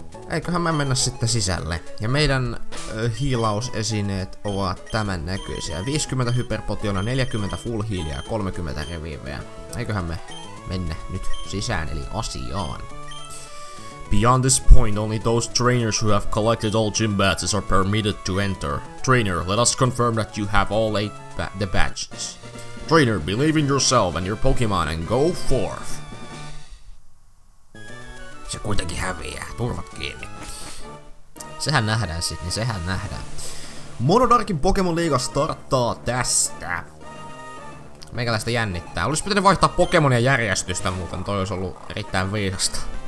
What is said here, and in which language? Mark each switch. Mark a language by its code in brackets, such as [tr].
[fi] Eiköhän mä mennä sitten sisälle. Ja meidän hiilausesineet ovat tämän näköisiä. 50 hyperpotiona, 40 full healia ja 30 reviveä. Eiköhän me mennä nyt sisään, eli asiaan. [en] Beyond this point, only those trainers who have collected all gym badges are permitted to enter. Trainer, let us confirm that you have all 8 the badges. Trainer, believe in yourself and your Pokemon and go forth. [fi] Se kuitenkin häviää. Turvat kiinni. Sehän nähdään sitten, niin sehän nähdään. Monodarkin Pokemon liiga starttaa tästä. Meikäläistä jännittää. Olisi pitänyt vaihtaa Pokemonia järjestystä muuten. Toi olisi ollut erittäin viisasta.